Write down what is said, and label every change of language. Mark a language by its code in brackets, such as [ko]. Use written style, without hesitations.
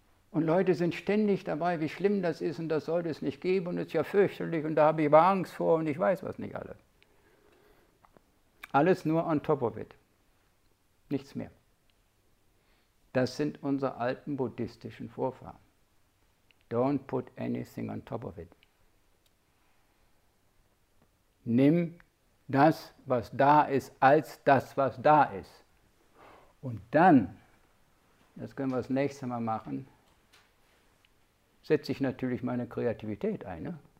[de] Und Leute sind ständig dabei, wie schlimm das ist und das sollte es nicht geben und es ist ja fürchterlich und da habe ich aber Angst vor und ich weiß was nicht alles. Alles nur [en] on top of it. [de] Nichts mehr. Das sind unsere alten buddhistischen Vorfahren. [en] Don't put anything on top of it. [de] Nimm das, was da ist, als das, was da ist. Und dann, das können wir das nächste Mal machen, setze ich natürlich meine Kreativität ein. Ne?